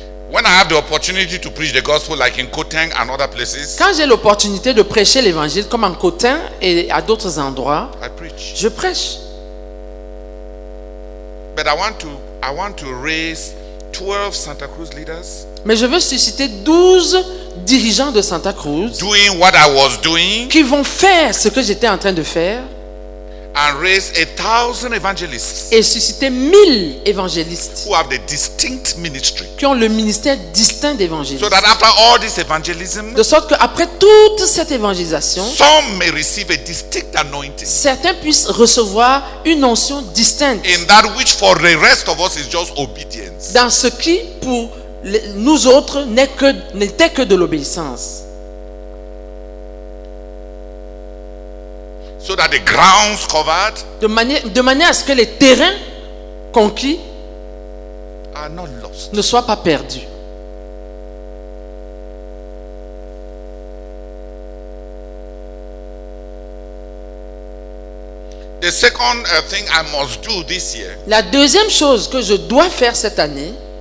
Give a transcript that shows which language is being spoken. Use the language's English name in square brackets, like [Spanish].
[English] When I have the opportunity to preach the gospel, like in Koteng and other places. [French] Quand j'ai l'opportunité de prêcher l'évangile, comme en Koteng et à d'autres endroits, [English] I preach. [French] Je prêche. [English] But I want to raise 12 Santa Cruz leaders. [French] Mais je veux susciter 12 dirigeants de Santa Cruz. [English] Doing what I was doing. [French] Qui vont faire ce que j'étais en train de faire. [English] And raise 1,000 evangelists. [French] Et susciter 1,000 évangélistes. [English] Who have the distinct ministry. [French] Qui ont le ministère distinct d'évangéliste. [English] So that after all this evangelism. [French] De sorte que après toute cette évangélisation. [English] Some may receive a distinct anointing. [French] Certains puissent recevoir une onction distincte. [English] In that which for the rest of us is just obedience. [French] Dans ce qui, pour nous autres, n'était que de l'obéissance. [English] So that the grounds covered [French] de manière à ce que les terrains conquis [English] are not lost. [French] Ne soient pas perdus. [English] The second thing I must do this year. [French] La deuxième chose que je dois faire cette année.